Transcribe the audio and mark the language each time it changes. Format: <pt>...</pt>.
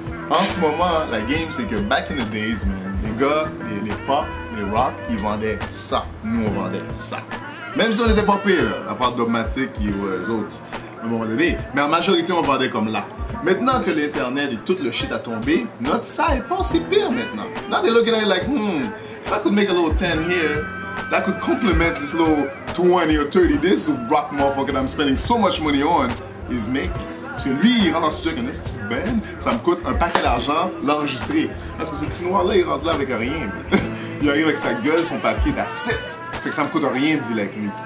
<fr>En ce moment, la game, c'est que</fr> <en>back in the days,</en> <fr>man, les gars, les pop, les rock, ils vendaient ça. Nous, on vendait ça. Même si on n'était pas pire, à part Dogmatic et les autres, à un moment donné. Mais en majorité, on vendait comme là. Maintenant que l'internet et tout le shit a tombé, notre side pense c'est pire maintenant.</fr> <en>Now they're looking at it like, if I could make a little 10 here, that could complement this little 20 or 30, this rock motherfucker that I'm spending so much money on is making.</en> <fr>Parce que lui, il rentre dans ce truc, une petite band, ça me coûte un paquet d'argent l'enregistrer. Parce que ce petit noir-là, il rentre là avec rien. Il arrive avec sa gueule, son papier,</fr> <en>that's it.</en> <fr>Fait que ça me coûte rien, dit like lui.</fr>